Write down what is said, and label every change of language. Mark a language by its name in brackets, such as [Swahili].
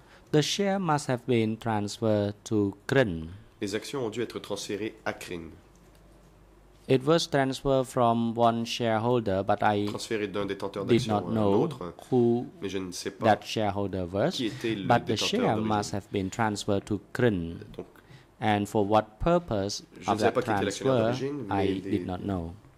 [English] The share must have been transferred to Krin. [French] Les actions ont dû être transférées à Krin. [English] It was transferred from one shareholder, but I did not know who that shareholder was. But the share must have been transferred to Krin. And for what purpose of that transfer, I did not know.